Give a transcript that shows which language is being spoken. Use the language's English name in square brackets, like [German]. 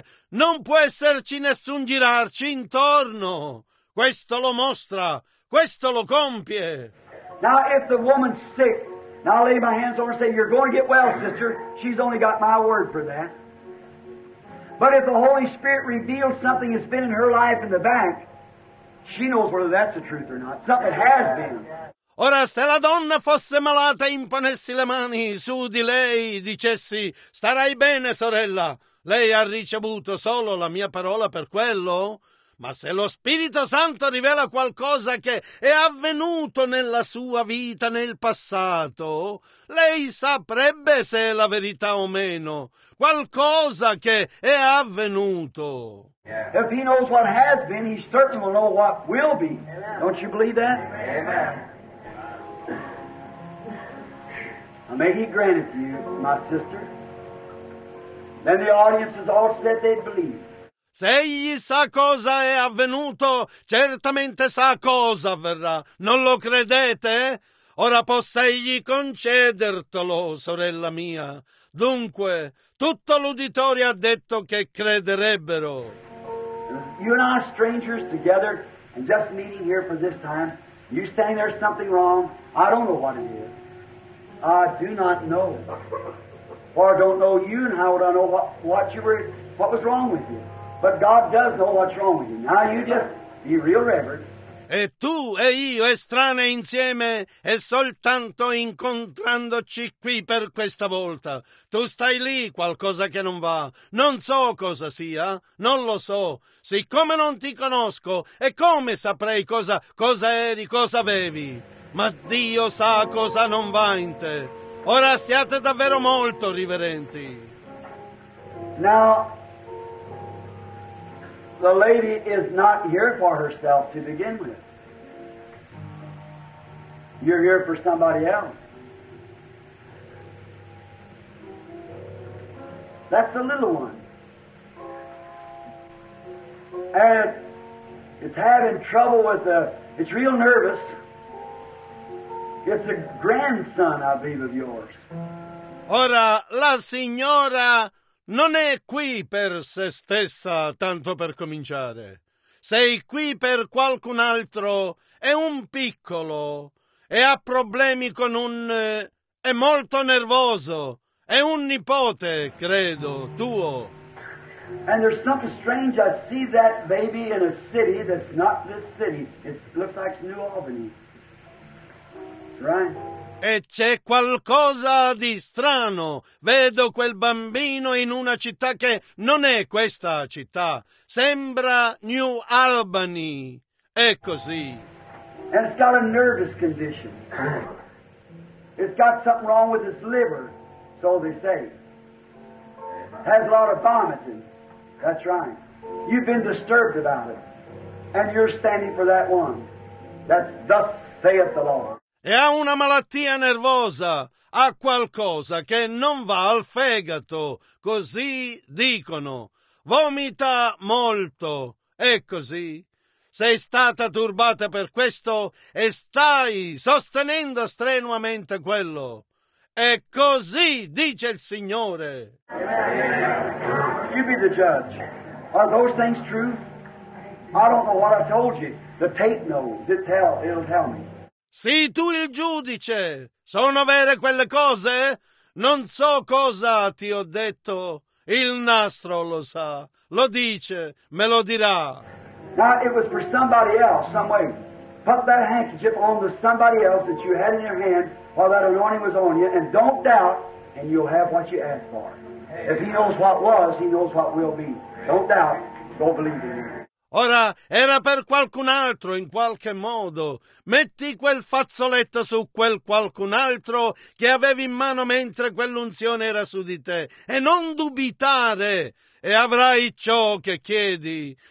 [Italian] Non può esserci nessun girarci intorno. Questo lo mostra. Questo lo compie. [English] Now if the woman's sick, now I'll lay my hands on her and say, you're going to get well, sister. She's only got my word for that. But if the Holy Spirit reveals something that's been in her life in the back, she knows whether that's the truth or not. Something has been. [Italian] Ora, se la donna fosse malata, imponessi le mani su di lei, dicessi, starai bene, sorella. Lei ha ricevuto solo la mia parola per quello? Ma se lo Spirito Santo rivela qualcosa che è avvenuto nella sua vita nel passato, lei saprebbe se è la verità o meno. Qualcosa che è avvenuto. [English] If he knows what has been, he certainly will know what will be. Don't you believe that? Amen. May he grant it to you, my sister. Then the audiences all said they'd believe. [Italian] Se egli sa cosa è avvenuto, certamente sa cosa avverrà. Non lo credete? Ora possa egli concedertelo, sorella mia. Dunque, tutto l'uditorio ha detto che crederebbero. [English] You and I, strangers, together, and just meeting here for this time, you stand there, something wrong, I don't know what it is. I do not know. Or I don't know you, and how would I know what was wrong with you? But God does know what's wrong with you. Now you just be real reverent. [Italian] E tu e io, estranei insieme, e soltanto incontrandoci qui per questa volta. Tu stai lì, qualcosa che non va. Non so cosa sia, non lo so. Siccome non ti conosco, e come saprei cosa eri, cosa avevi? Ma Dio sa cosa non va in te. Ora siate davvero molto riverenti. [English] Now, the lady is not here for herself to begin with. You're here for somebody else. That's the little one. And it's having trouble with it's real nervous. It's a grandson, I believe, of yours. [Italian] Ora, la signora non è qui per se stessa, tanto per cominciare. Sei qui per qualcun altro, è un piccolo, e ha problemi con un... è molto nervoso, è un nipote, credo, tuo. [English] And there's something strange, I see that baby in a city that's not this city. It looks like New Albany. Right? [Italian] E c'è qualcosa di strano. Vedo quel bambino in una città che non è questa città. Sembra New Albany. È così. [English] And it's got a nervous condition. It's got something wrong with its liver, so they say. It has a lot of vomiting. That's right. You've been disturbed about it. And you're standing for that one. That's thus saith the Lord. [Italian] E ha una malattia nervosa, ha qualcosa che non va al fegato, così dicono. Vomita molto, è così. Sei stata turbata per questo e stai sostenendo strenuamente quello. È così, dice il Signore. [English] You be the judge. Are those things true? I don't know what I told you. The tape knows. It'll tell me. [Italian] Sii tu il giudice. Sono vere quelle cose? Non so cosa ti ho detto. Il nastro lo sa. Lo dice. Me lo dirà. [English] Now it was for somebody else, some way. Put that handkerchief on the somebody else that you had in your hand while that anointing was on you, and don't doubt, and you'll have what you asked for. If he knows what was, he knows what will be. Don't doubt. Don't believe in him. [Italian] Ora, era per qualcun altro in qualche modo. Metti quel fazzoletto su quel qualcun altro che avevi in mano mentre quell'unzione era su di te. E non dubitare, e avrai ciò che chiedi.